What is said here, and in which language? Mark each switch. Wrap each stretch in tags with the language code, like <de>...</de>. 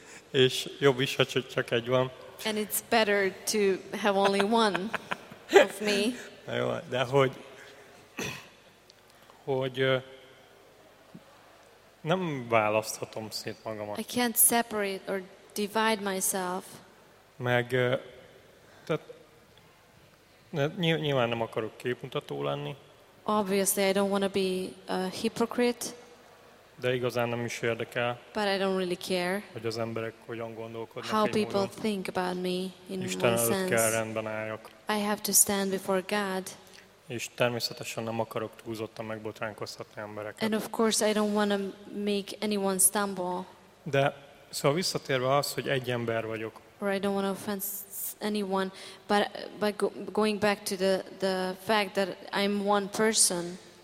<hu>és jobb is, ha csak egy van.</hu> <en>And it's better to have only one of me.</en> <hu>Jó, de hogy nem választhatom szét magamat.</hu> <en>I can't separate or divide myself.</en> <hu>Meg, tehát nyilván nem akarok képmutató lenni.</hu> <en>Obviously, I don't want to be a hypocrite.</en> <hu>De igazán nem is érdekel.</hu> <en>But I don't really care.</en> <hu>Hogy az emberek hogyan gondolkodnak.</hu> <en>How people think about me in my sense.</en> <hu>Isten előtt kell rendben álljak.</hu> <en>I have to stand before God.</en> <hu>És természetesen nem akarok túlzottan megbotránkoztatni embereket.</hu> <en>And of course I don't want to make anyone stumble.</en> <hu>De szóval visszatérve az, hogy egy ember vagyok.</hu> <en>Or I don't want to offend anyone, but going back to the fact that I'm one person.</en>